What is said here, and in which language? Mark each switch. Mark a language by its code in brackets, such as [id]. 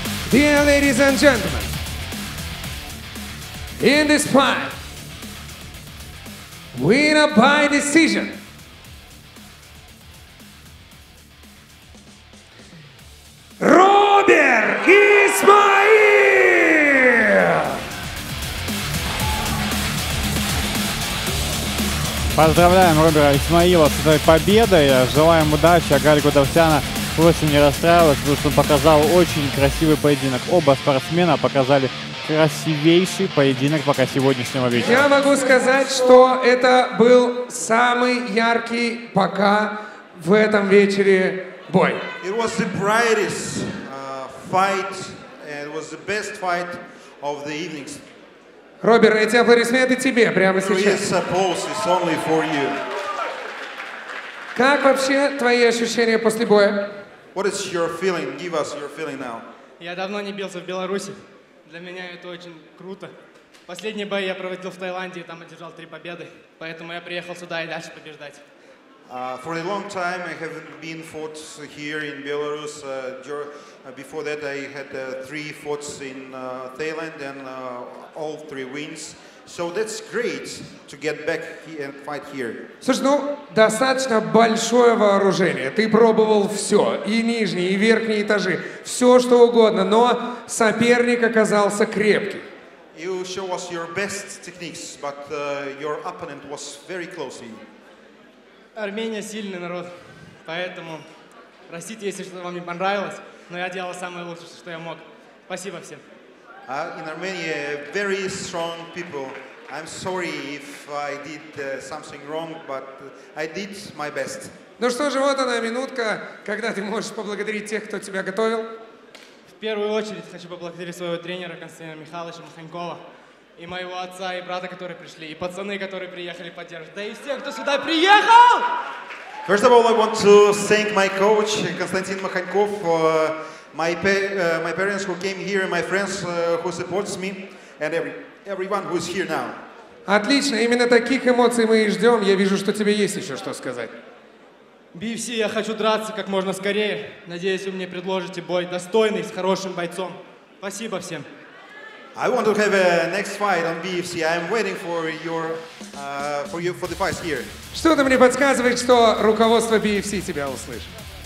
[en] Dear ladies and gentlemen, in this fight, winner by decision, Robert Ismail! [ru] Поздравляем Робера Исмаила с этой победой, желаем удачи, Гарику Давтяна. Просто не расстраивалась, потому что он показал очень красивый поединок. Оба спортсмена показали красивейший поединок пока сегодняшнего вечера. Я могу сказать, что это был самый яркий пока в этом вечере бой. [en] It was the brightest fight, and it was the best fight of the evening. [ru] Робер, эти аплодисменты тебе прямо сейчас. [en] It's only for you. [ru] Как вообще твои ощущения после боя? [en] What is your feeling? Give us your feeling now. [ru] Я давно не бился в Беларуси. Для меня это очень круто. Последний бой я проводил в Таиланде, и там одержал 3 победы. Поэтому я приехал сюда и дальше побеждать. [en] For a long time I haven't been fought here in Belarus. Before that I had 3 fights in Thailand and all 3 wins. So that's great to get back and fight here. [ru] Слушай, ну, достаточно большое вооружение. Ты пробовал все, и нижние, и верхние этажи, все что угодно, но соперник оказался крепкий. [en] You show us your best techniques, but your opponent was very close in. [ru] Армения сильный народ, поэтому простите, если что-то вам не понравилось, но я делал самое лучшее, что я мог. Спасибо всем. [en] In Armenia, very strong people. I'm sorry if I did something wrong, but I did my best. [ru] Ну что же, вот она минутка, когда ты можешь поблагодарить тех, кто тебя готовил. В первую очередь хочу поблагодарить своего тренера Константина Михайловича Маханькова и моего отца и брата, которые пришли, и пацаны, которые приехали поддержать, да и всех, кто сюда приехал! [en] First of all, I want to thank my coach Константин Маханьков for my parents who came here, my friends who supports me, and everyone who is here now. [ru] Отлично, именно таких эмоций мы и ждем. Я вижу, что тебе есть еще что сказать. BFC, я хочу драться как можно скорее. Надеюсь, вы мне предложите бой достойный, с хорошим бойцом. Спасибо всем. [en] I want to have a next fight on BFC. I'm waiting for your for you for the fight here. [ru] Что-то мне подсказывает, что руководство BFC тебя услышит.